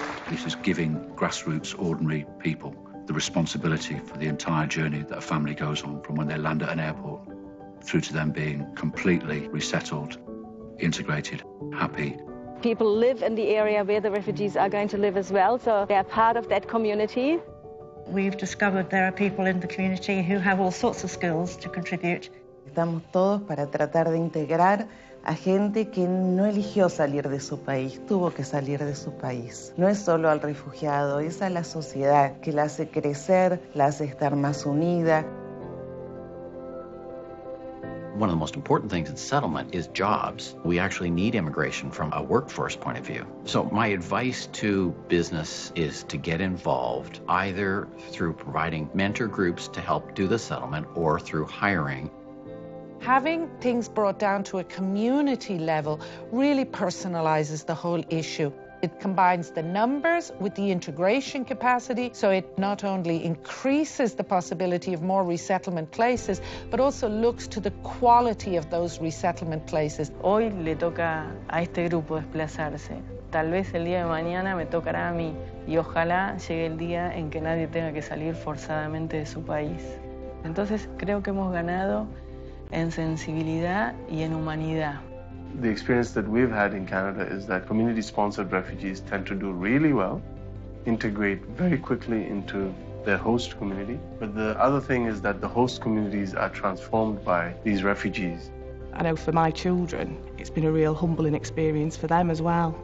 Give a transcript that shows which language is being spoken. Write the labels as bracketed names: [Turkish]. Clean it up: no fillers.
[English] This is giving grassroots, ordinary people the responsibility for the entire journey that a family goes on, from when they land at an airport through to them being completely resettled, integrated, happy. People live in the area where the refugees are going to live as well, so they're part of that community. We've discovered there are people in the community who have all sorts of skills to contribute. [Spanish] Estamos todos para tratar de integrar a gente que no eligió salir de su país, tuvo que salir de su país. No es solo al refugiado, es a la sociedad que la hace crecer, la hace estar más unida. [English] One of the most important things in settlement is jobs. We actually need immigration from a workforce point of view. So my advice to business is to get involved either through providing mentor groups to help do the settlement or through hiring. Having things brought down to a community level really personalizes the whole issue. It combines the numbers with the integration capacity, so it not only increases the possibility of more resettlement places, but also looks to the quality of those resettlement places. [Spanish] Hoy le toca a este grupo desplazarse. Tal vez el día de mañana me tocará a mí, y ojalá llegue el día en que nadie tenga que salir forzadamente de su país. Entonces, creo que hemos ganado en sensibilidad y en humanidad. [English] The experience that we've had in Canada is that community-sponsored refugees tend to do really well, integrate very quickly into their host community. But the other thing is that the host communities are transformed by these refugees. I know for my children, it's been a real humbling experience for them as well.